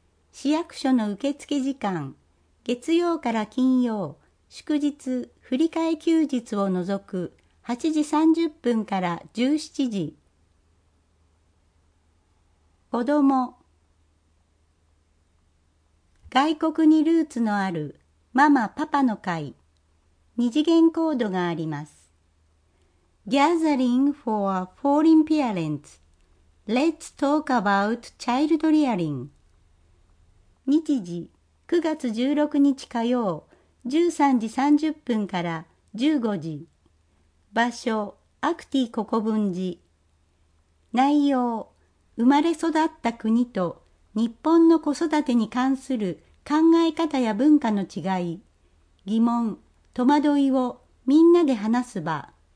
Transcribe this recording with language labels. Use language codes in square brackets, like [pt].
[ja] 市役所の受付時間、月曜から金曜、祝日、振替休日を除く8時30分から17時。子ども。外国にルーツのあるママ・パパの会。二次元コードがあります。 [en] Gathering for foreign parents. Let's talk about child rearing. [ja] 日時、9月16日火曜、13時30分から15時。場所、アクティ国分寺。内容、生まれ育った国と日本の子育てに関する考え方や文化の違い、疑問、戸惑いをみんなで話す場。